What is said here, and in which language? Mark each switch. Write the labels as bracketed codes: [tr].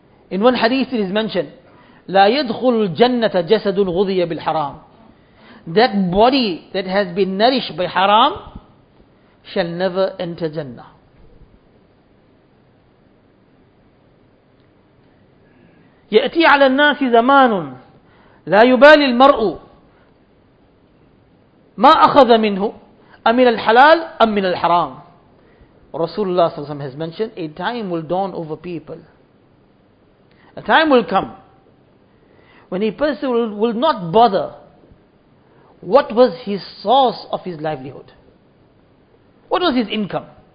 [en] In one hadith it is mentioned, [ar] لا يدخل الجنة جسد غضي بالحرام. [en] That body that has been nourished by haram shall never enter Jannah. [ar] يأتي على الناس زمان لا يبالي المرء ما أخذ منه أمن الحلال أم من الحرام. [en] Rasulullah sallallahu alaihi wasallam has mentioned, a time will dawn over people. A time will come when a person will not bother what was his source of his livelihood. What was his income?